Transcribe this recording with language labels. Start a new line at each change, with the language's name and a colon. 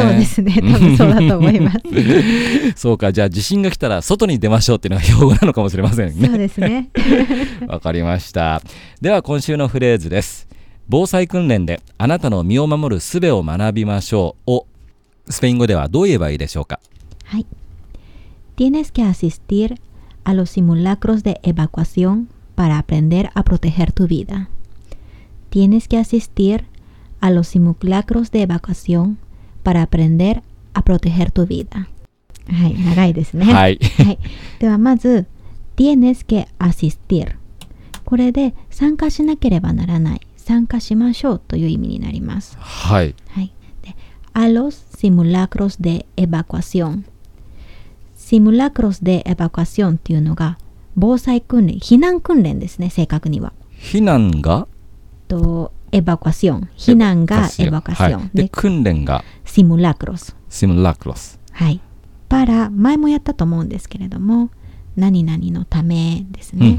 Japanese: そうですね、多分そうだと思いますそうか、じゃあ地震が来たら外に出ましょうっていうのが標語なのかもしれませんね。そうですねわかりました。では今週のフレーズです。防災訓練であなたの身を守る術を学びましょうをスペイン語ではどう言えばいいでしょうか？
Spanish: はい、Tienes que asistir a los simulacros de evacuación para aprender a proteger tu vida. Tienes que asistir a los simulacros de evacuación para aprender a proteger tu vida.
Japanese: はい、長いですね。はい。はい、ではまず、
Spanish: Tienes que asistir。
Japanese: これで参加しなければならない、参加しましょうという意味になります。はい。
Spanish: はい、で、a los simulacros de evacuación。
Japanese: シムラクロスでエバクアシオンっていうのが防災訓練、避難訓練ですね、正確には。避難がとエバクアシオン、避難がエバクアシオン、はい、で訓練がシムラクロス、シムラクロス、はい、パラ、前もやったと思うんですけれども、何々のためですね、